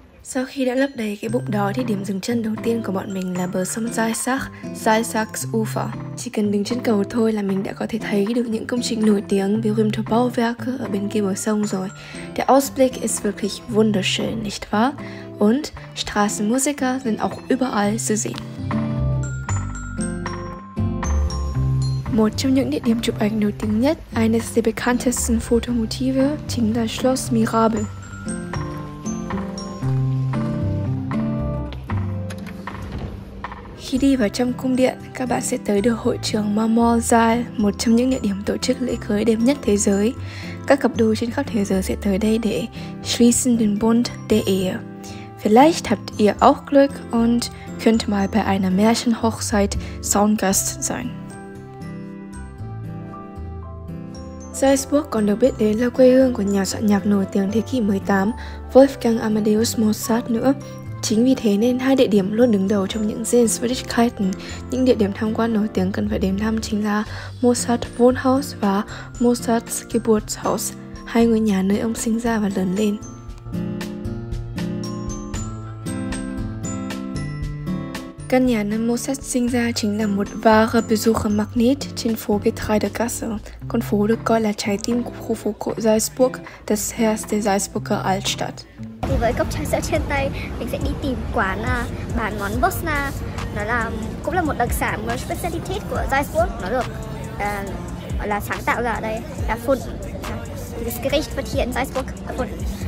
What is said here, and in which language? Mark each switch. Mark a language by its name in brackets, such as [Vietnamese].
[Vietnamese] Sau khi đã lấp đầy cái bụng đói thì điểm dừng chân đầu tiên của bọn mình là bờ sông Zeisachs-Ufer. Chỉ cần đứng trên cầu thôi là mình đã có thể thấy được những công trình nổi tiếng [German] berühmte Bauwerke [Vietnamese] ở bên kia bờ sông rồi. [German] Der Ausblick ist wirklich wunderschön, nicht wahr? Und Straßenmusiker sind auch überall zu sehen. [Vietnamese] Một trong những địa điểm chụp ảnh nổi tiếng nhất, [German] eines der bekanntesten Fotomotive, [Vietnamese] chính là Schloss Mirabel. Khi đi vào trong cung điện, các bạn sẽ tới được hội trường Marmorsaal, một trong những địa điểm tổ chức lễ cưới đẹp nhất thế giới. Các cặp đôi trên khắp thế giới sẽ tới đây để [German] schließen den Bund der Ehe. Vielleicht habt ihr auch Glück und könnt mal bei einer Märchenhochzeit Soundgast sein. [Vietnamese] Salzburg còn được biết đến là quê hương của nhà soạn nhạc nổi tiếng thế kỷ 18, Wolfgang Amadeus Mozart nữa. Chính vì thế nên hai địa điểm luôn đứng đầu trong những Sehenswürdigkeiten, những địa điểm tham quan nổi tiếng cần phải đến thăm chính là Mozart Wohnhaus và Mozart's Geburtshaus, hai ngôi nhà nơi ông sinh ra và lớn lên. Căn nhà nơi Mozart sinh ra chính là một [German] wahre Besuchermagnet [Vietnamese] trên phố Getreidegasse, con phố được coi là trái tim của khu phố cổ Salzburg, [German] das Herz der Salzburger Altstadt. [Vietnamese] Thì với cốc trà sữa trên tay, mình sẽ đi tìm quán bán món Bosna. Nó là cũng là một đặc sản, một speciality của Salzburg. Nó được là sáng tạo ra ở đây, là Fun. [German] Das Gericht wird hier in Salzburg erfunden.